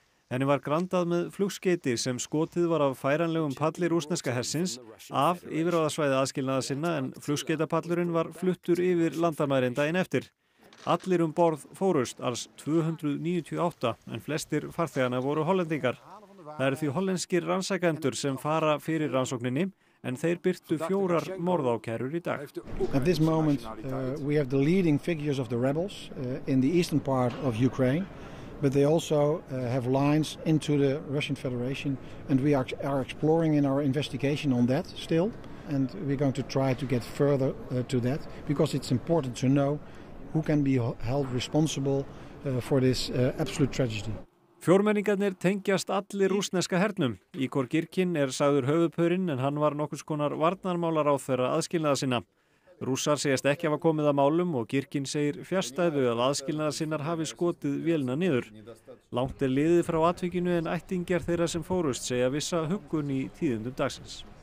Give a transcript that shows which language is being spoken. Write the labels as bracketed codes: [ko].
[is] Henni var grandað með flugskeyti sem skotið var af færanlegum palli rússneska hersins af yfirráðasvæði aðskilnaða sinna en flugskeytapallurinn var fluttur yfir landamærin daginn eftir. Allir um borð fórust alls 298 en flestir farþeganna voru hollendingar. Það eru því hollenskir rannsakendur sem fara fyrir rannsókninni en þeir birtu 4 morðákærur í dag. [en] At this moment we have the leading figures of the rebels in the eastern part of Ukraine. But they also have lines into the Russian Federation and we are exploring in our investigation on that still and we're going to try to get further to that because it's important to know who can be held responsible for this absolute tragedy. [is] Fjórmenningarnir tengjast allir rússneska hernum. Igor Girkin er sagður höfuðpaurinn en hann var nokkurs konar varnarmálaráðherra aðskilnaða sinna. Rússar segjast ekki hafa komið að málum og Girkin segir fjarstæðu að aðskilnaðar sinnar hafi skotið vélina niður. Langt liðið frá atvikinu en ættingjar þeirra sem fórust segja vissa huggun í tíðindum dagsins.